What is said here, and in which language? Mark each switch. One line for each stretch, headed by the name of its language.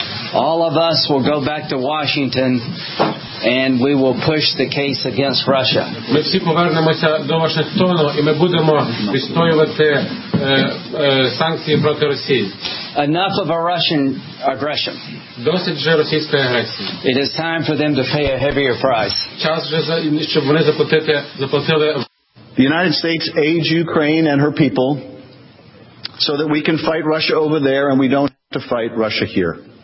English: All of us will go back to Washington and we will push the case against Russia.
Ukrainian: Ми всі повернемося до Вашингтону, і ми будемо відстоювати санкції проти Росії.
English: Enough of a Russian aggression.
Ukrainian: Досить вже російської агресії.
English: It is time for them to pay a heavier price.
Ukrainian: Час вже, щоб вони заплатили.
English: The United States aids Ukraine and her people so that we can fight Russia over there and we don't have to fight Russia here.